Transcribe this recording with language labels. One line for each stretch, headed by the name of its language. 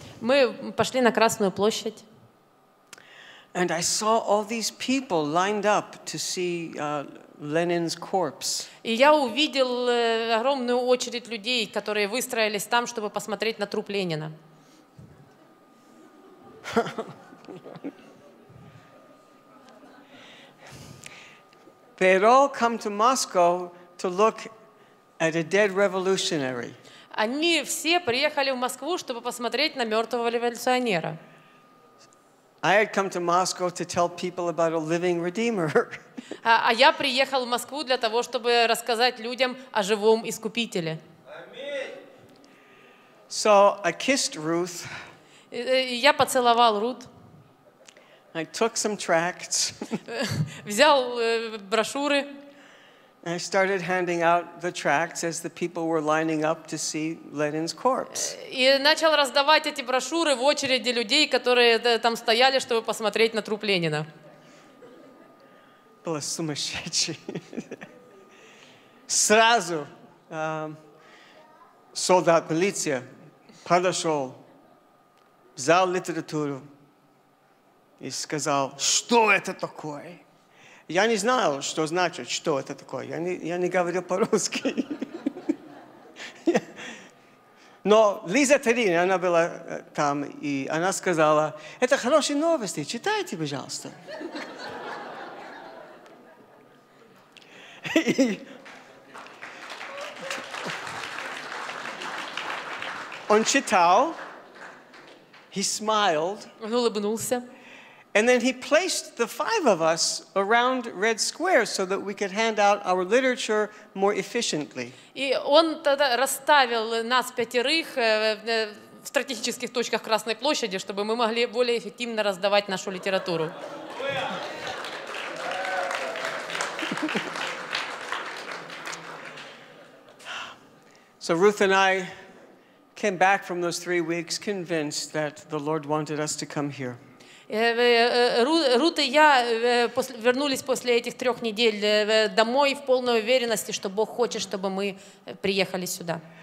Russian: Мы пошли на Красную площадь.
English: And I saw all these people lined up to see Lenin's corpse.
Russian: И я увидел огромную очередь людей, которые выстроились там, чтобы посмотреть на труп Ленина.
English: They had all come to Moscow to look at a dead revolutionary.
Russian: Они все приехали в Москву, чтобы посмотреть на мертвого революционера.
English: I had come to Moscow to tell people about a living redeemer.
Russian: А я приехал в Москву для того, чтобы рассказать людям о живом искупителе.
English: Аминь. So I kissed Ruth.
Russian: Я поцеловал Рут.
English: I took some tracts.
Russian: Взял брошюры.
English: I started handing out the tracts as the people were lining up to see Lenin's corpse.
Russian: И начал раздавать эти брошюры в очереди людей, которые там стояли, чтобы посмотреть на труп Ленина. Было сумасшедшее. Сразу солдат полиции подошел, взял литературу и сказал: «Что это такое?» Я не знал, что значит, что это такое. Я не говорил по-русски. Но Лиза Тарина, она была там, и она сказала: «Это хорошие новости, читайте, пожалуйста». Он читал,
English: he smiled.
Russian: Он улыбнулся.
English: And then he placed the five of us around Red Square so that we could hand out our literature more efficiently.
Russian: И он тогда расставил нас пятерых в стратегических точках Красной площади, чтобы мы могли более эффективно раздавать нашу литературу.
English: So Ruth and I came back from those 3 weeks convinced that the Lord wanted us to come here.
Russian: Рут и я вернулись после этих трех недель домой в полной уверенности, что Бог хочет, чтобы мы приехали сюда.